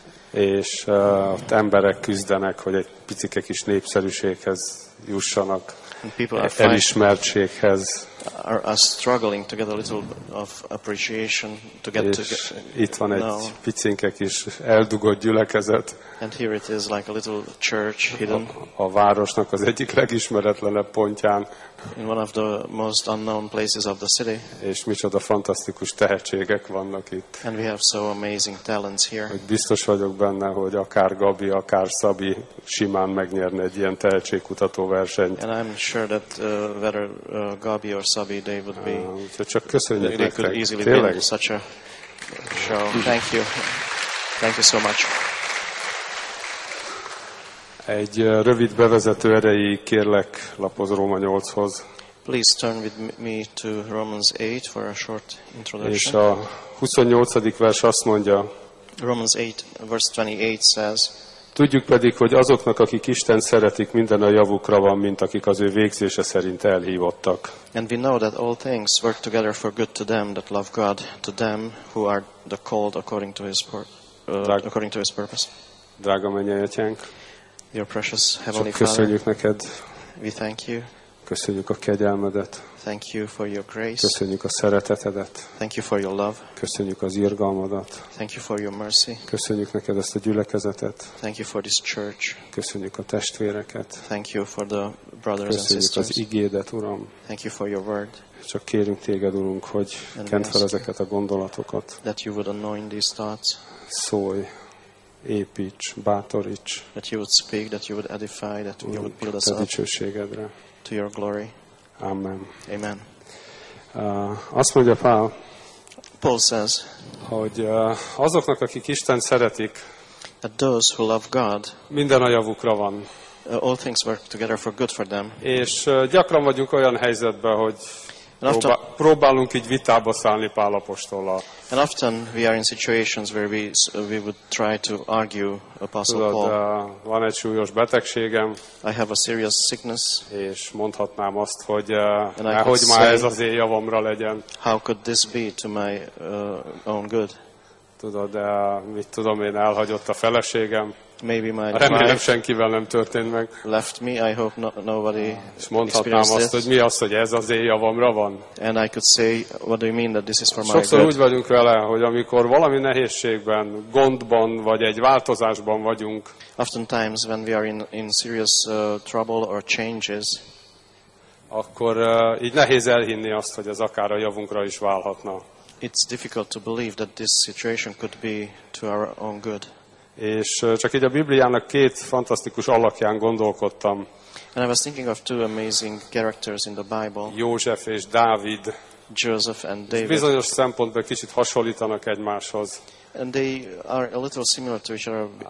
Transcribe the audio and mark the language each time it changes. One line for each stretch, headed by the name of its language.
Hungarian: És az emberek küzdenek, hogy egy picike kis népszerűséghez jussanak, elismertséghez.
English: Are struggling to get a little of appreciation to get to
Hungarian: itt van egy picinke kis eldugott gyülekezet.
English: And here it is like a little church hidden.
Hungarian: A városnak az egyik legismeretlenebb pontján.
English: In one of the most unknown places of the city.
Hungarian: És micsoda fantasztikus tehetségek vannak itt.
English: And we have so amazing talents here.
Hungarian: Hogy biztos vagyok benne, hogy akár Gabi, akár Szabi simán megnyerne egy ilyen tehetségkutató versenyt.
English: And I'm sure that whether Gabi or Szabi, they would be.
Hungarian: Csak köszönjük
English: nektek. They could easily
Hungarian: tényleg
English: win such a show. Thank you. Thank you so much.
Hungarian: Egy rövid bevezető erejéig kérlek, lapoz Róma 8-hoz.
English: Please turn with me to Romans 8 for a short introduction.
Hungarian: És a 28. vers azt mondja.
English: Romans 8, verse 28 says.
Hungarian: Tudjuk pedig, hogy azoknak, akik Isten szeretik, minden a javukra van, mint akik az ő végzése szerint elhívottak.
English: And we know that all things work together for good to them that love God, to them who are the called according to His according to His purpose.
Hungarian: Drága mennyei atyánk.
English: Your precious heavenly
Hungarian: Father. Köszönjük neked.
English: We thank you.
Hungarian: Köszönjük a kegyelmedet.
English: Thank you for your grace.
Hungarian: Köszönjük a szeretetedet.
English: Thank you for your love.
Hungarian: Köszönjük az irgalmadat.
English: Thank you for your mercy.
Hungarian: Köszönjük neked ezt a gyülekezetet.
English: Thank you for this church.
Hungarian: Köszönjük a testvéreket.
English: Thank you for the brothers and sisters.
Hungarian: Köszönjük az igédet, Uram.
English: Thank you for your word.
Hungarian: Csak kérünk téged, Urunk, hogy kent fel ezeket a gondolatokat.
English: That you would anoint these thoughts.
Hungarian: Szólj. Építs, bátoríts.
English: That you would speak, that you would edify, that you would build us up.
Hungarian: Te dicsőségedre.
English: To your glory.
Hungarian: Amen.
English: Amen.
Hungarian: Azt mondja Pál.
English: Paul says.
Hungarian: Hogy azoknak, akik Isten szeretik.
English: That those who love God.
Hungarian: Minden a javukra van.
English: All things work together for good for them.
Hungarian: És gyakran vagyunk olyan helyzetben, hogy próbálunk így vitába szállni Pál apostollal.
English: And often we are in situations where we would try to argue Apostle Paul.
Hungarian: Van egy súlyos betegségem.
English: I have a serious sickness.
Hungarian: És mondhatnám azt, hogy nehogy már ez az én javamra legyen.
English: How could this be to my own good?
Hungarian: Tudod, de mit tudom én, elhagyott a feleségem.
English: Maybe my
Hungarian: remélem senkivel nem történt meg.
English: Left me, I hope nobody.
Hungarian: És mondhatnám azt, hogy mi az, hogy ez az én javamra van.
English: And I could say, what do you mean that this is for my good?
Hungarian: Sokszor úgy vagyunk vele, hogy amikor valami nehézségben, gondban vagy egy változásban vagyunk.
English: Oftentimes when we are in serious trouble or changes.
Hungarian: Akkor így nehéz elhinni azt, hogy ez akár a javunkra is válhatna.
English: It's difficult to believe that this situation could be to our own good.
Hungarian: És csak így a Bibliának két fantasztikus alakján gondolkodtam.
English: And I was thinking of two amazing characters in the Bible.
Hungarian: József és Dávid.
English: Joseph and David.
Hungarian: És bizonyos szempontból kicsit hasonlítanak egymáshoz.
English: And they are a little similar to each other.